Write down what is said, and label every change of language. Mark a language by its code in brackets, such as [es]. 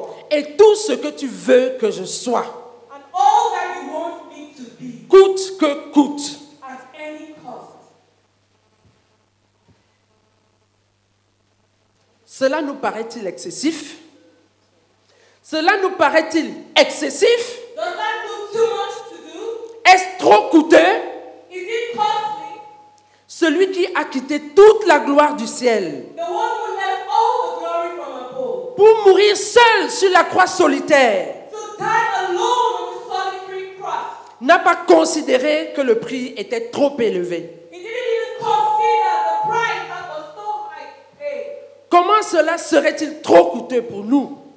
[fr] et tout ce que tu veux que je sois. [en] And all that you want me to be. [fr] Coûte que coûte. [en] At any cost. [fr] Cela nous paraît-il excessif? Cela nous paraît-il excessif? [en] Does that look too much to do? [fr] Est-ce trop coûteux? [en] Is it costly? [fr] Celui qui a quitté toute la gloire du ciel. [en] The one who left all the glory from above. [fr] Pour mourir seul sur la croix solitaire. [en] To die alone on the solitary cross. [fr] N'a pas considéré que le prix était trop élevé. [en] He didn't even consider the price that was so high to pay. [fr] Comment cela serait-il trop coûteux pour nous?